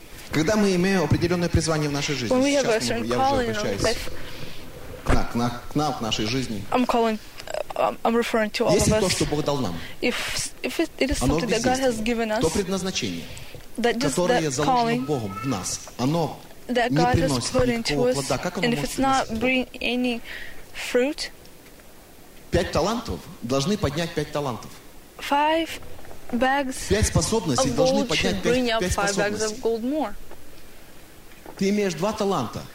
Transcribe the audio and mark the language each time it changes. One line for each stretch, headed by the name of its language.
Russian: Когда мы имеем определенное призвание в нашей жизни, сейчас я уже обращаюсь к нам, к нашей жизни.
English: I'm referring to all
Russian: если
English: of us.
Russian: То, что Бог дал нам,
English: if it is something that God has given us,
Russian: то предназначение, которое заложено Богом в нас, оно не приносит никакого плода. Как оно может приносить? Пять талантов должны поднять пять талантов.
English: Five bags
Russian: пять способностей должны поднять пять способностей. Ты имеешь два таланта.